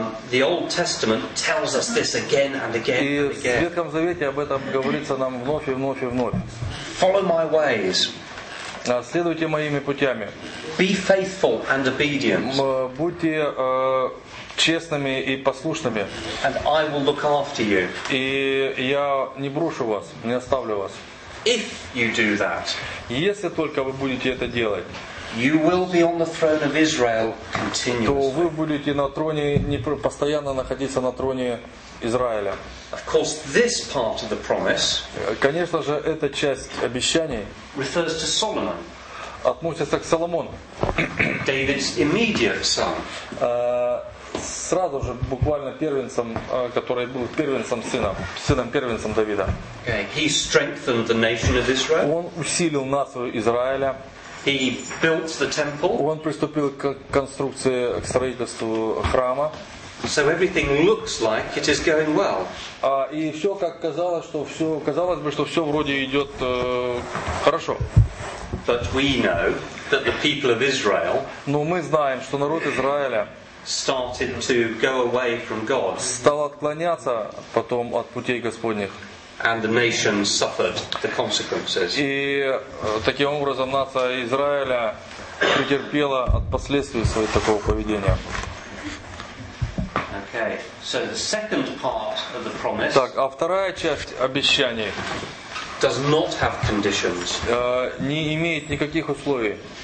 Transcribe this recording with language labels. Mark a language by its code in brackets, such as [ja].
[en] The Old Testament tells us this again and again. [ru] И в Ветхом Завете об этом говорится нам вновь и вновь и вновь. [en] Follow my ways. [ru] Следуйте моими путями. [en] Be faithful and obedient. [ru] Будьте честными и послушными. [en] And I will look after you. [ru] И я не брошу вас, не оставлю вас. [en] If you do that, [ru] если только вы будете это делать, [en] you will be on the throne of Israel continuously. [ru] То вы будете на троне, постоянно находиться на троне Израиля. [en] Of course, this part of the promise, [ru] конечно же, эта часть обещаний, [en] refers to Solomon, [ru] относится к Соломону, [en] David's immediate son, [ru] сразу же, буквально первенцем, который был первенцем сына, сыном первенцем Давида. [en] Okay. He strengthened the nation of Israel. [ru] Он усилил нацию Израиля. [en] He built the temple. [ru] Он приступил к конструкции, к строительству храма. [en] So everything looks like it is going well. [ru] И все как казалось, что все казалось бы, что все вроде идет хорошо. [en] But we know that the people of Israel. [ru] Но мы знаем, что народ Израиля [en] started to go away from God. [ru] Стал отклоняться потом от путей Господних. [en] And the nation suffered the consequences. [ru] И таким образом нация Израиля претерпела от последствий своего такого поведения. [en] Okay. So the second part of the promise. [ru] Так, а вторая часть обещаний [en] does not have conditions. [ru] Не имеет никаких условий.